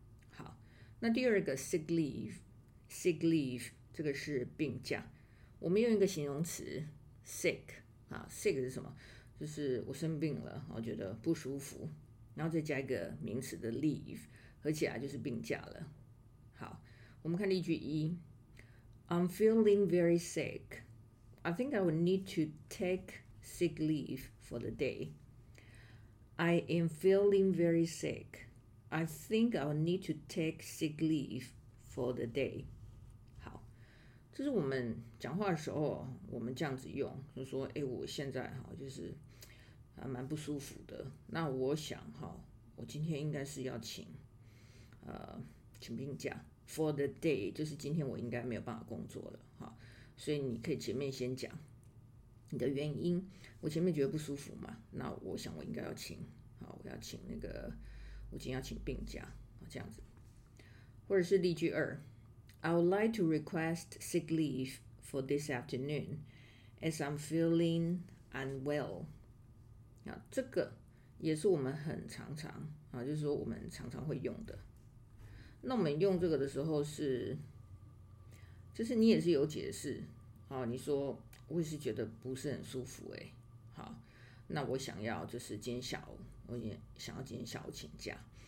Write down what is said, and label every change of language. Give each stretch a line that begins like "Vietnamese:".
Chinese: 好，那第二个 sick leave 这个是病假，我们用一个形容词 sick 啊 ，sick 是什么？就是我生病了，我觉得不舒服，然后再加一个名词的 leave， 合起来就是病假了。好，我们看例句一 ，
English: I'm feeling very sick. I think I will need to take sick leave for the day. I am feeling very sick. I think I will need to take sick leave for the day.
Chinese: 好，这是我们讲话的时候，我们这样子用，就说，哎，我现在哈就是。还蛮不舒服的。那我想哈，我今天应该是要请病假。
English: For the day
Chinese: 就是今天我应该没有办法工作了哈。所以你可以前面先讲你的原因。我前面觉得不舒服嘛，那我想我应该要请，好，我要请那个，我今天要请病假，这样子。或者是例句二
English: ，I would like to request sick leave for this afternoon as I'm feeling unwell。
Chinese: 啊，这个也是我们很常常啊，就是说我们常常会用的。那我们用这个的时候是，就是你也是有解释，好，你说我也是觉得不是很舒服哎，好，那我想要就是今天下午，我也想要今天下午请假。